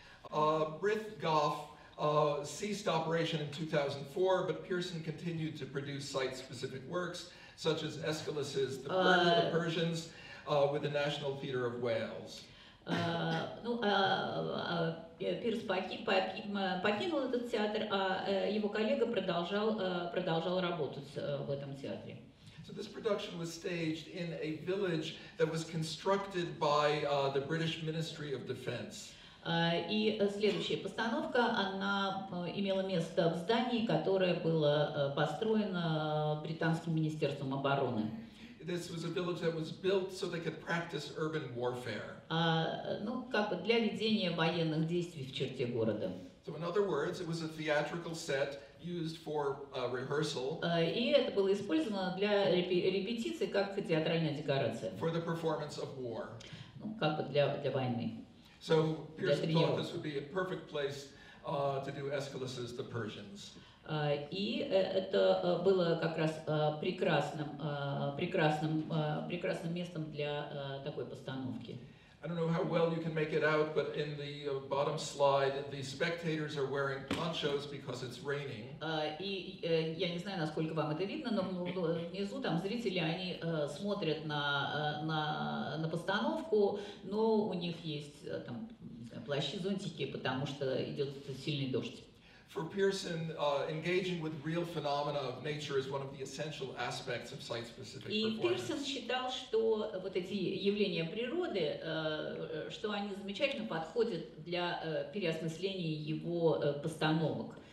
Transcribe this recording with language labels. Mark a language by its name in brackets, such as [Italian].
[English] Brith Goff ceased operation in 2004, but Pearson continued to produce site-specific works such as Aeschylus's *The Burden of the Persians*. With the National Theatre of Wales. [Russian] Ну, Пирс покинул этот театр, а его коллега продолжал работать в этом театре. [English] So this production was staged in a village that was constructed by the British Ministry of Defence. [Russian] И следующая постановка, она имела место в здании, которое было построено британским министерством обороны. [English] This was a village that was built so they could practice urban warfare. [Russian] Ну, как бы для ведения военных действий в черте города. [English] So in other words, it was a theatrical set used for rehearsal. [Russian] И это было использовано для репетиции как театральная декорация. [English] For the performance of war. [Russian] Ну, как бы для войны. [English] So Pearson thought this would be a perfect place to do Aeschylus's *The Persians*. [Russian] И это было как раз прекрасным местом для такой постановки. [English] I don't know how well you can make it out, but in the bottom slide, the spectators are wearing ponchos because it's raining. [Russian] Я не знаю, насколько вам это видно, но внизу там зрители, они смотрят на постановку, но у них есть там плащи, зонтики, потому что идет сильный дождь. [English] For Pearson, engaging with real phenomena of nature is one of the essential aspects of site-specific performance. [Russian] И Пирсон считал, что вот эти явления природы, что они замечательно подходят для переосмысления его постановок.